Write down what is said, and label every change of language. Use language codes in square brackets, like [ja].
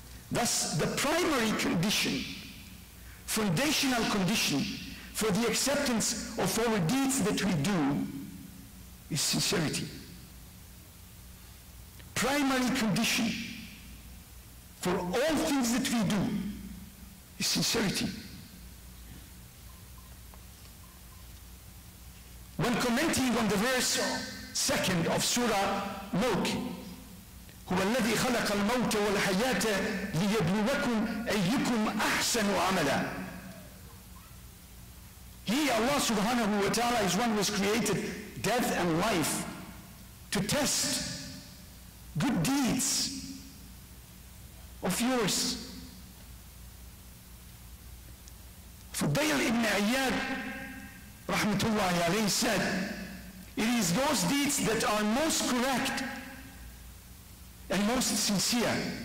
[en] Thus, the primary condition, foundational condition for the acceptance of our deeds that we do is sincerity. Primary condition for all things that we do is sincerity. When commenting on the verse 2 of Surah Luq, [ar] هو الذي خلق الموت والحياة ليبلوكم أيكم أحسن عملا. [en] He, Allah subhanahu wa ta'ala, is one who has created death and life to test good deeds of yours. Fudayl ibn Iyad rahmatullahi alayhi said, it is those deeds that are most correct and most sincere.